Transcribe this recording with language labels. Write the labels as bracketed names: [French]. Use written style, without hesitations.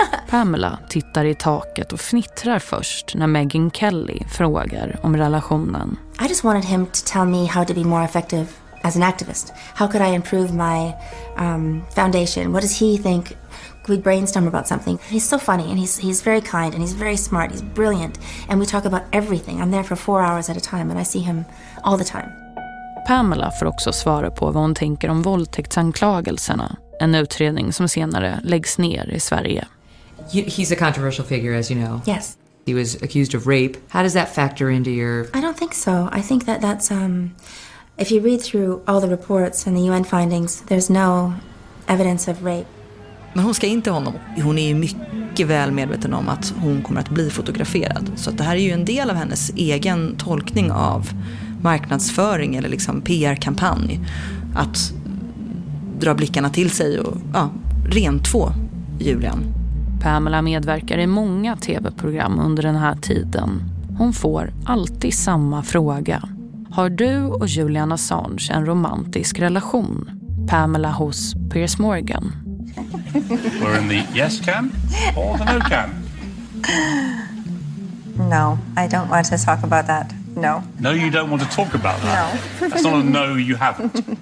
[Swedish] Pamela tittar i taket och fnittrar först när Megyn Kelly frågar om relationen. [English] I just wanted him to tell me how to be more effective as an activist. How could I improve my foundation? What does he think? We brainstorm about something. He's so funny and he's very kind and he's very smart. He's brilliant and we talk about everything. I'm there for 4 hours at a time and I see him all the time. [Swedish] Pamela får också svara på vad hon tänker om våldtäktsanklagelserna, en utredning som senare läggs ner i Sverige. [English] He's a controversial figure, as you know. Yes. He was accused of rape. How does that factor into your... I don't think so. I think that that's... If you read through all the reports and the UN findings, there's no evidence of rape. [Swedish] Men hon ska inte honom. Hon är ju mycket väl medveten om att hon kommer att bli fotograferad. Så att det här är ju en del av hennes egen tolkning av marknadsföring eller liksom PR-kampanj. Att dra blickarna till sig och ja, rentvå Julian. Pamela medverkar i många tv-program under den här tiden. Hon får alltid samma fråga. Har du och Julian Assange en romantisk relation? Pamela hos Piers Morgan. [English] We're in the yes camp or the no camp? No, I don't want to talk about that. No. No, you don't want to talk about that? No. That's not a no, you haven't.